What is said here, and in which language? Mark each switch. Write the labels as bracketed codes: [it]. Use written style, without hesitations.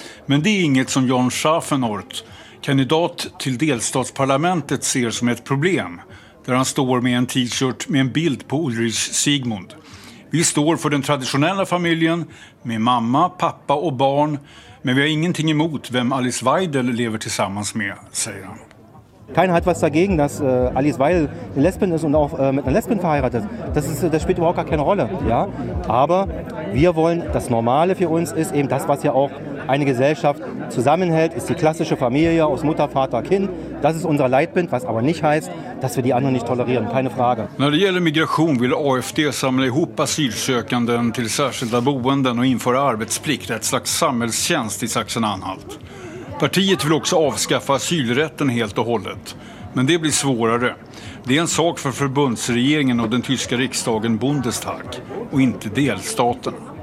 [sv] Men det är inget som John Schaffenort, kandidat till delstatsparlamentet, ser som ett problem. Där han står med en t-shirt med en bild på Ulrich Sigmund. Vi står för den traditionella familjen med mamma, pappa och barn. Men vi har ingenting emot vem Alice Weidel lever tillsammans med, säger han. [de] Keiner hat was dagegen, dass Alice Weidel eine Lesbin ist und auch mit einer Lesbin verheiratet. Das spielt überhaupt gar keine Rolle. Ja? Aber wir wollen, das Normale für uns ist eben das, was ja auch eine Gesellschaft zusammenhält, ist die klassische Familie aus Mutter, Vater, Kind. Das ist unser Leitbild, was aber nicht heißt, dass wir die anderen nicht tolerieren. Keine Frage. [sv] När det gäller Migration vill AfD samla ihop asylsökanden till särskilda boenden och införa arbetsplikt, ett slags samhällstjänst i Sachsen-Anhalt. Partiet vill också avskaffa asylrätten helt och hållet. Men det blir svårare. Det är en sak för förbundsregeringen och den tyska riksdagen Bundestag och inte delstaten.